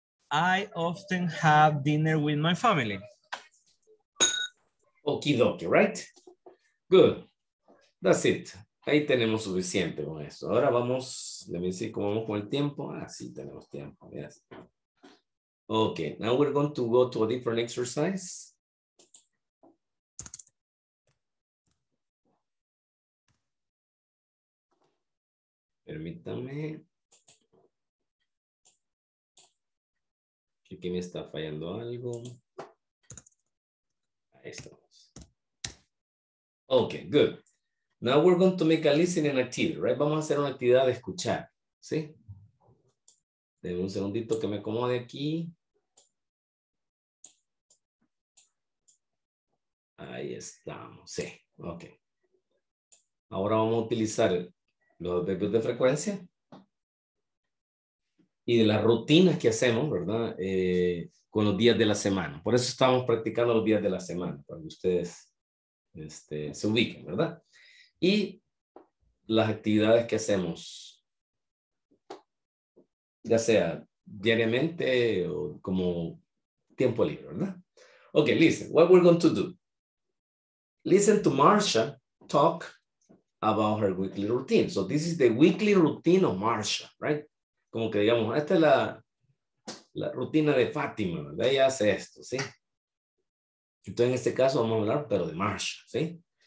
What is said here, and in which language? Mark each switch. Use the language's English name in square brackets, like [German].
[English] I often have dinner with my family. Okie doke, right? Good. That's it. [Spanish] Ahí tenemos suficiente con eso. Ahora vamos, [English] let me see [Spanish] cómo vamos con el tiempo. Ah, sí, tenemos tiempo. Yes. [English] Okay, now we're going to go to a different exercise. [Spanish] Permítame. Aquí me está fallando algo. Ahí estamos. Okay, good. [English] Now we're going to make a listening activity, right? [Spanish] Vamos a hacer una actividad de escuchar, ¿sí? Denme un segundito que me acomode aquí. Ahí estamos, sí, ok. Ahora vamos a utilizar los adverbios de frecuencia y de las rutinas que hacemos, ¿verdad? Con los días de la semana. Por eso estamos practicando los días de la semana, para que ustedes se ubiquen, ¿verdad? Y las actividades que hacemos, ya sea diariamente o como tiempo libre, ¿verdad? [English] Okay, listen, what we're going to do. Listen to Marcia talk about her weekly routine. So this is the weekly routine of Marcia, right? [Spanish] Como que digamos, esta es la rutina de Fátima, ¿verdad? Ella hace esto, ¿sí? Entonces en este caso vamos a hablar, pero de Marcia, ¿sí?